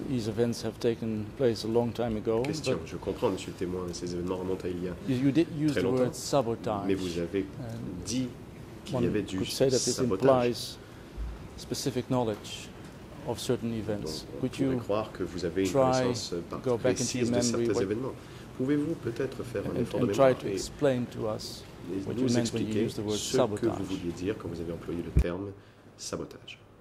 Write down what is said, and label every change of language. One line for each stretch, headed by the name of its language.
English: These events have taken place a long time ago.
French: Question. Je comprends, Monsieur le Témoin. Ces événements remontent à il y a très longtemps.
English: You used the word sabotage.
French: Mais vous avez dit qu'il y avait du sabotage.
English: One could say that this implies specific knowledge of certain events.
French: Donc, on pourrait croire que vous avez une connaissance précise de certains événements. Pouvez-vous peut-être faire un effort de mémoire et
English: explain to us what you meant when you used the word sabotage.
French: Ce que vous vouliez dire quand vous avez employé le terme sabotage.